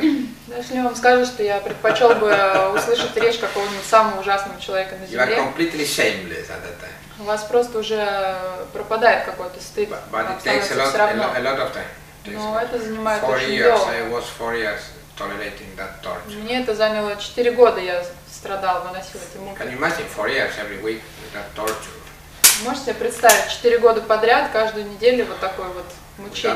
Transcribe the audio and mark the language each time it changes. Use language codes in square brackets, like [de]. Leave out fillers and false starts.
[ru] Если вам скажут, что я предпочел бы услышать речь какого-нибудь самого ужасного человека на земле. [en] You are completely shameless at that time. [ru] У вас просто уже пропадает какой-то стыд, [en] but it takes a lot of time. [ru] Но это занимает [en] four [ru] очень [en] years, [ru] долго. [en] I was 4 years tolerating that torture. [ru] Мне это заняло 4 года, я страдал, выносил эти муки. [en] Can you imagine 4 years every week that torture? [ru] Можете себе представить 4 года подряд каждую неделю вот такое вот мучение?